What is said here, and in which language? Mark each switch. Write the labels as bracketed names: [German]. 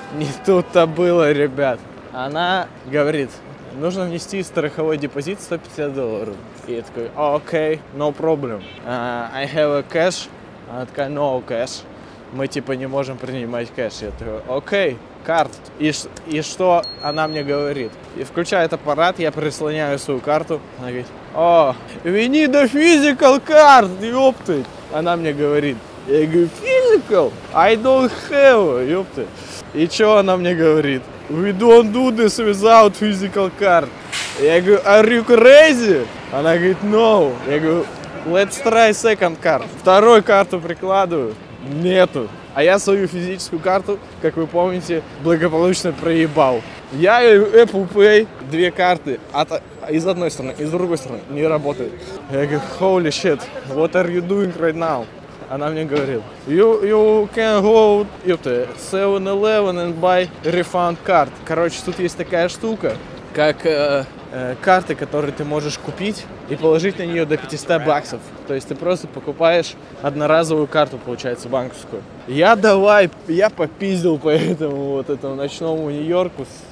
[Russian] Не тут-то было, ребят. Она говорит, нужно внести страховой депозит $150. И я такой, окей, [English] no problem. I have a cash. [Russian] Она такая, [English] no cash. [Russian] Мы, типа, не можем принимать кэш. Я такой, окей, карт. И что она мне говорит? И включает аппарат, я прислоняю свою карту. Она говорит, о, [English] we need a physical card, [Russian] ёпты. Она мне говорит. Я говорю, physical? [English] I don't have, [Russian] ёпты. И что она мне говорит? [English] We don't do this without physical card. [Russian] Я говорю, [English] are you crazy? [Russian] Она говорит, no. Я говорю, [English] let's try second card. [Russian] Вторую карту прикладываю. Нету. А я свою физическую карту, как вы помните, благополучно проебал. Я и Apple Pay, две карты, из одной стороны, из другой стороны, не работают. Я говорю, [English] holy shit, what are you doing right now? [Russian] Она мне говорит, [English] you can go to 7-Eleven and buy refund card. [Russian] Короче, тут есть такая штука, как карты, которые ты можешь купить и положить на нее до $500. То есть ты просто покупаешь одноразовую карту, получается, банковскую. Я давай, я попиздил по этому вот этому ночному Нью-Йорку.